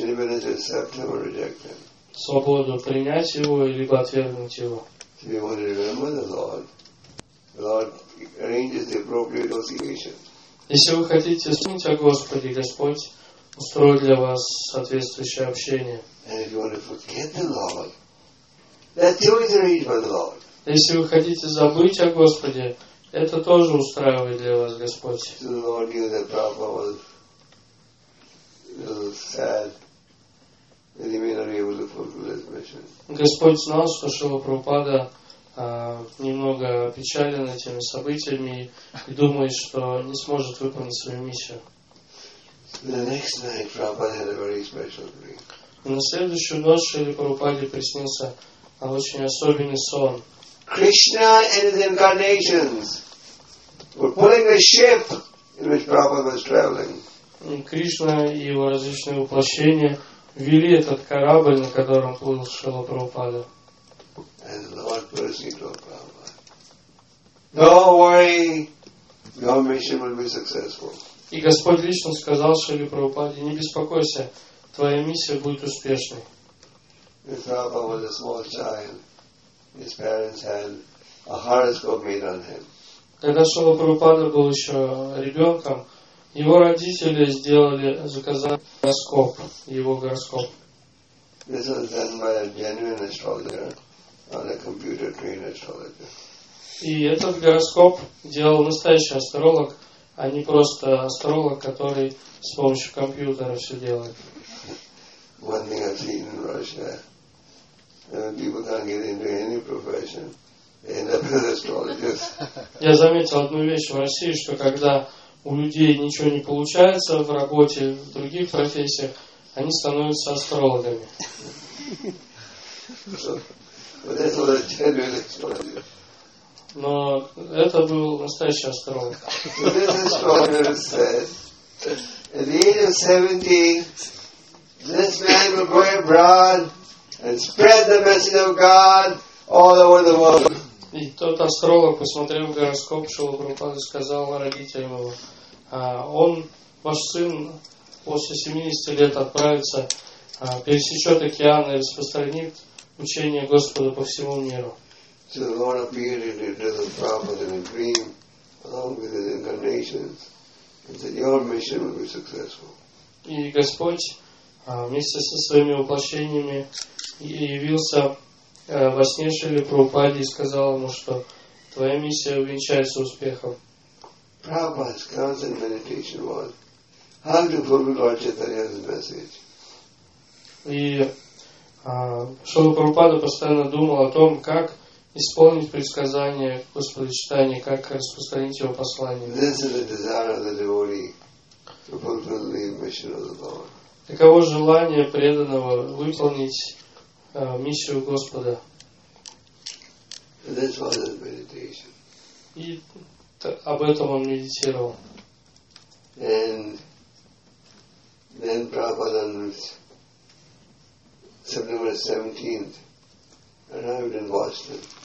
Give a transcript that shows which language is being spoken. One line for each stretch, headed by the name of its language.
English: Independence to accept him or reject him.
Russian: Свободу принять его или отвергнуть его.
English: We want to remember the Lord. Lord arranges the appropriate association.
Russian: Если вы хотите вспомнить о Господе, Господь устроит для вас соответствующее общение.
English: And if you want to forget the Lord, that too is arranged by the Lord.
Russian: Если вы хотите забыть о Господе, это тоже устраивает для вас Господь.
English: The Lord knew that Prabhupada was sad that he may not be able to fulfill his mission.
Russian: Господь знал, что Шрила Прабхупада немного опечален этими событиями и думает, что не сможет выполнить свою миссию.
English: The next night Prabhupada had a very special dream.
Russian: И на следующую ночь Шрила Прабхупаде приснился очень особенный сон.
English: Krishna and his incarnations were pulling a ship in which Prabhupada was traveling.
Russian: Кришна и его различные воплощения вели этот корабль, на котором плыл Шрила Прабхупада.
English: And the Lord personally told Prabhupada, "Don't worry, your mission will be successful."
Russian: И Господь лично сказал Шриле Прабхупаде, "Не беспокойся, твоя миссия будет успешной."
English: And Prabhupada was a small child. His parents had a horoscope made on him.
Russian: Когда Шрила Прабхупада был еще ребенком, его родители сделали, заказали гороскоп, его гороскоп.
English: This was done by a genuine astrologer on a computer trained astrologer.
Russian: И этот гороскоп делал настоящий астролог, а не просто астролог, который с помощью компьютера все делает.
English: One thing I've seen in Russia. People can't get into any profession. They end up as astrologers.
Russian: Я заметил одну вещь в России, что когда у людей ничего не получается в работе, в других профессиях, они становятся астрологами. Вот это был
English: genuine astrologer.
Russian: Но это был настоящий астролог.
English: This astrologer said, at the age of 70, this man will go abroad and spread the message of God all over the world.
Russian: И тот астролог, посмотрев гороскоп, Шрила Прабхупады сказал родителям его, он, ваш сын, после 70 лет отправится, пересечет океан и распространит учение Господа по всему миру.
English: So the Lord appeared to the prophet in a dream, along with his incarnations, and said, your mission will be successful.
Russian: И Господь вместе со своими воплощениями и явился во сне Шриле Прабхупаде и сказал ему, что твоя миссия увенчается успехом.
English: Prabhupada's constant meditation was how to fulfill Lord Chaitanya's message.
Russian: И Шрила Прабхупада постоянно думал о том, как исполнить предсказание Господа Чайтаньи, как распространить его послание.
English: This is the desire of the devotee to fulfill the mission of the Lord.
Russian: Таково желание преданного выполнить миссию Господа.
English: This was his meditation.
Russian: И об этом он медитировал.
English: And then Prabhupada on September 17th arrived in Boston.